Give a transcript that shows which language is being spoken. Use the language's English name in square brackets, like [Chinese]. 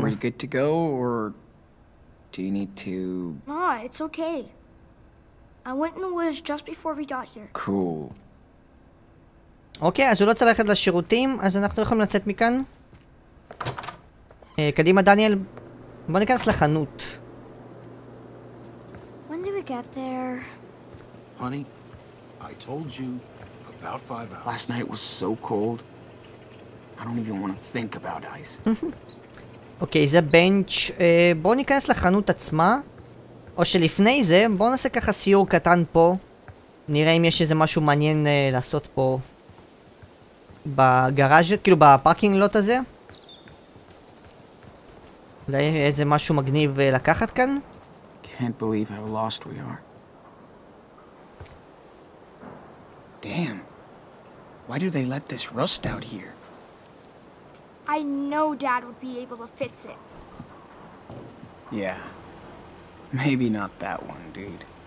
[English] Are we good to go, or do you need to... Ma, it's okay. I went in the woods just before we got here. Cool. [Hebrew] אוקיי, אז הוא לא צריך ללכת לשירותים, אז אנחנו יכולים לצאת מכאן. קדימה, דניאל. בוא ניכנס לחנות. [English] When did we get there? Honey, I told you about 5 hours. Last night was so cold. I don't even want to think about ice. [Hebrew] אוקיי, זה בנץ', בואו ניכנס לחנות עצמה, או שלפני זה, בואו נעשה ככה סיור קטן פה, נראה אם יש איזה משהו מעניין לעשות פה בגראז', כאילו בפארקינג לוט הזה. אולי איזה משהו מגניב לקחת כאן. [English] Can't believe how lost we are. Damn. Why do they let this rust out here? I know Dad would be able to fix it. Yeah. Maybe not that one, dude.